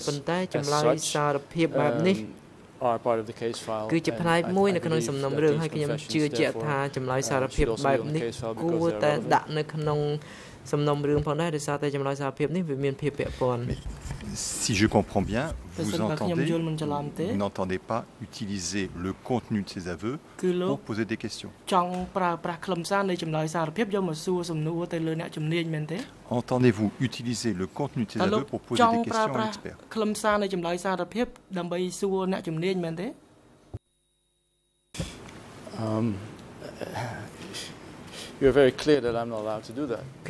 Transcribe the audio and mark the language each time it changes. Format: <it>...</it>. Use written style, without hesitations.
<en>The expert is basing quite a substantial part of his analysis and evaluation of S21 confessions. Are part of the case file.</en> <km>គឺជាផ្នែកមួយនៅក្នុងសំណុំរឿងហើយខ្ញុំជឿជាក់ថាចម្លើយសារភាពបែបនេះគួរតែដាក់នៅក្នុងសំណុំរឿងផងដែរដោយសារតែចម្លើយសារភាពនេះវាមានភាពពាក់ព័ន្ធ</km> <fr>Si je comprends bien, vous entendez, vous n'entendez pas utiliser le contenu de ces aveux pour poser des questions. Entendez-vous utiliser le contenu de ces aveux pour poser des questions à l'expert?</fr> <en>You're very clear that I'm not allowed to do that.</en>